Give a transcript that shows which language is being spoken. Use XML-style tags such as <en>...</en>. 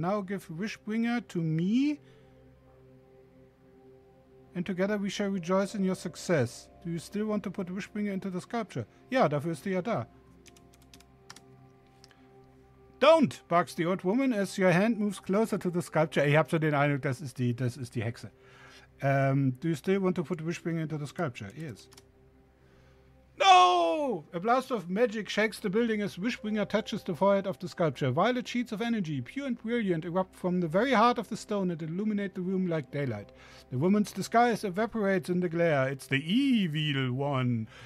<en>Now give Wishbringer to me. And together we shall rejoice in your success. Do you still want to put Wishbringer into the sculpture?</en> <de>Ja, dafür ist er ja da.</de> <en>Don't, barks the old woman, as your hand moves closer to the sculpture.</en> <de>Ich hab schon den Eindruck, das ist die Hexe.</de> <en>Do you still want to put Wishbringer into the sculpture? Yes. No! A blast of magic shakes the building as Wishbringer touches the forehead of the sculpture. Violet sheets of energy, pure and brilliant, erupt from the very heart of the stone and illuminate the room like daylight. The woman's disguise evaporates in the glare. It's the evil one.</en>